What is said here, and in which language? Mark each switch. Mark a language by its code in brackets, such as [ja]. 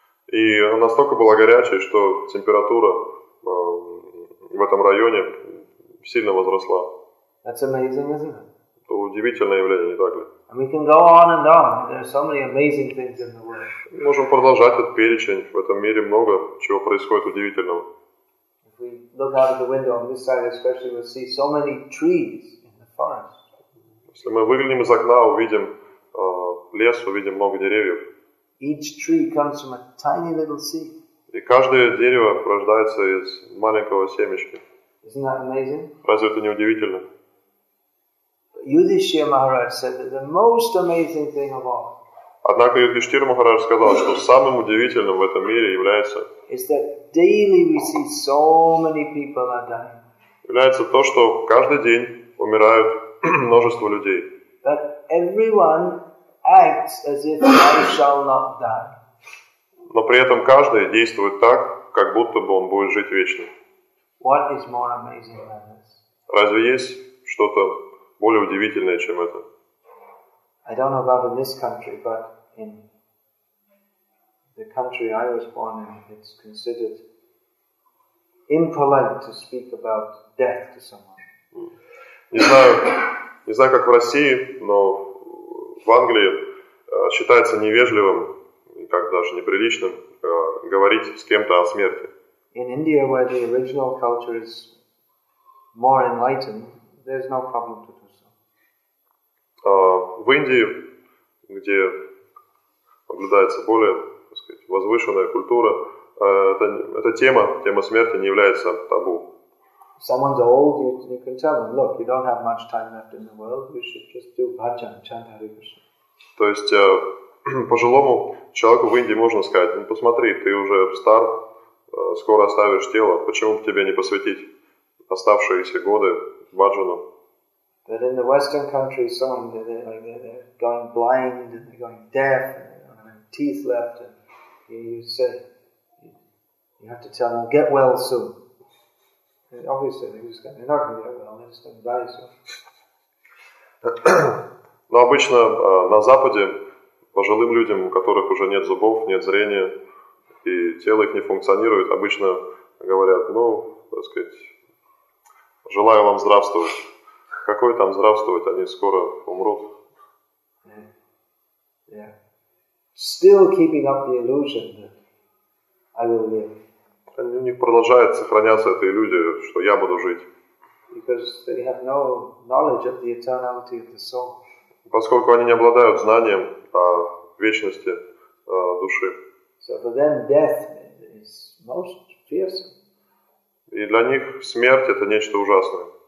[ru] И настолько была горячая, что температура в этом районе сильно возросла. [en] That's amazing, isn't it? [ru] Это удивительное явление, не так ли? [en] And we can go on and on. There are so many amazing things in the world. [ru] Мы можем продолжать этот перечень. В этом мире много чего происходит удивительного. [en] If we look out of the window on this side, especially, we'll see so many trees in the forest. [ru] Если мы выглянем из окна, увидим лес, увидим много деревьев. [en] Each tree comes from a tiny little seed. [ru] И каждое дерево рождается из маленького семечка. [en] Isn't that amazing? [ru] Разве это не удивительно? [en] Yudhishthira Maharaj said that the most amazing thing of all. [ru] Однако Юдхиштхира Махарадж сказал, что самым удивительным в этом мире является. [en] Is that daily we see so many people are dying. [ru] Является то, что каждый день умирают множество людей. [en] That everyone acts as if I shall not die. [ru] Но при этом каждый действует так, как будто бы он будет жить вечно. [en] What is more amazing than this? [ru] Разве есть что-то более удивительное, чем это? [en] I don't know about in this country, but in the country I was born in, it's considered impolite to speak about death to someone. [ru] Не знаю, как в России, но в Англии считается невежливым, как даже неприличным, говорить с кем-то о смерти. [en] In India, where the original culture is more enlightened, there's no problem to do so. [ru] В Индии, где наблюдается более, так сказать, возвышенная культура, эта тема смерти не является табу. [en] Someone's old, you can tell them, look, you don't have much time left in the world, you should just do bhajan, chant Hare Krishna. [ru] То есть пожилому человеку в Индии можно сказать, ну посмотри, ты уже стар, скоро оставишь тело, почему бы тебе не посвятить оставшиеся годы бхаджану? [en] But in the Western countries, some they're going blind and they're going deaf and they don't have teeth left. And you say, you have to tell them, get well soon. And obviously, they're not going to get well, they're just going to die soon. [ru] Но обычно на Западе пожилым людям, у которых уже нет зубов, нет зрения, и тело их не функционирует, обычно говорят, ну, так сказать, желаю вам здравствовать. Какой там здравствовать, они скоро умрут. [en] Yeah. Yeah. Still keeping up the illusion that I will live. [ru] Они, у них продолжает сохраняться эта иллюзия, что я буду жить. [en] Because they have no knowledge of the eternality of the soul. [ru] Поскольку они не обладают знанием о вечности души. [en] So for them death is most fearsome. [ru] И для них смерть это нечто ужасное.